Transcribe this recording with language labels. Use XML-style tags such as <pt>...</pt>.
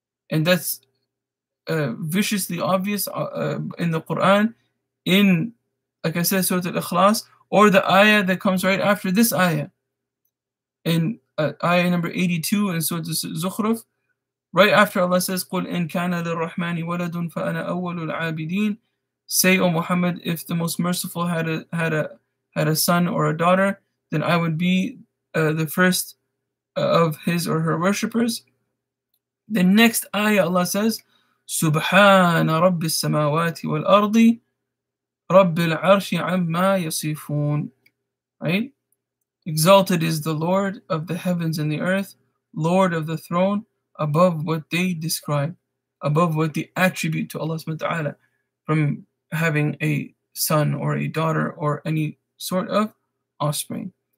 <en>And that's viciously obvious in the Quran, in, like I said, Surah Al-Ikhlas, or the ayah that comes right after this ayah, in ayah number 82 in Surah Zukhruf, right after Allah says,</en> <ar>قُلْ إِن كَانَ لِلرَّحْمَنِ وَلَدٌ فَأَنَا أَوَّلُ الْعَابِدِينَ.</ar> <en>Say, O Muhammad, if the Most Merciful had a son or a daughter, then I would be the first of his or her worshippers. The next ayah Allah says,</en> <ar>سُبْحَانَ رَبِّ السَّمَاوَاتِ وَالْأَرْضِ رَبِّ الْعَرْشِ عَمَّا يَصِفُونَ.</ar> <en>Right? Exalted is the Lord of the heavens and the earth, Lord of the throne, above what they describe, above what they attribute to Allah subhanahu wa ta'ala, from having a son or a daughter or any sort of offspring.</en>